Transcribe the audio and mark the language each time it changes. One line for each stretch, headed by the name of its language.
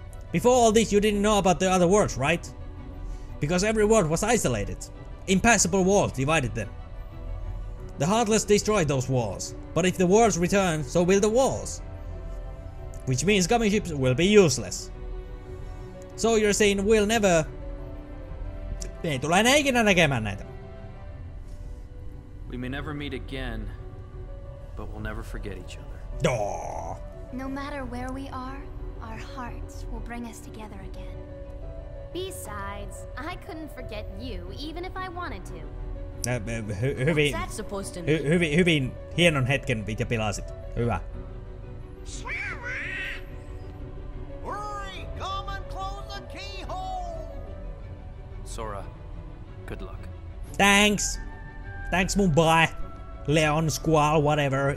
English: Before all this, you didn't know about the other worlds, right? Because every world was isolated. Impassable walls divided them. The Heartless destroyed those walls. But if the worlds return, so will the walls. Which means coming ships will be useless. So you're saying we'll never...
Finnish: Me ei tule enää ikinä näkemään näitä.
English: We may never meet again, but we'll never forget each other. Aww. No matter where we are, our hearts will bring us together again. Besides, I couldn't forget you, even if I wanted to.
Finnish: Hyvin.
English: What's that supposed to mean?
Finnish: Hyvin hienon hetken mitä pilasit. Hyvä.
English: Hurry, come and close the keyhole! Sora, good luck. Thanks. Thanks mun bye. Leon, Squall, whatever.